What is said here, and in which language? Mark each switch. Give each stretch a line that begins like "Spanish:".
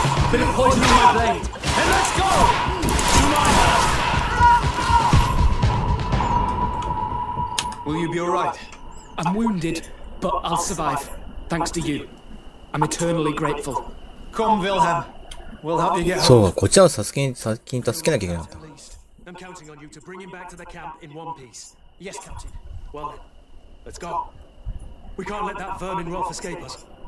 English: Bit of poison in my blade. And let's go! To my house. Will you be all right? I'm wounded, but I'll survive, thanks to you. I'm eternally grateful. Come, Wilhelm. We'll help you get home.
Japanese: そう、こっちは先に助けなきゃいけなかった。
English: I'm counting on you to bring him back to the camp in one piece. Yes, Captain. Well, let's go. We can't let that vermin Rolf escape us.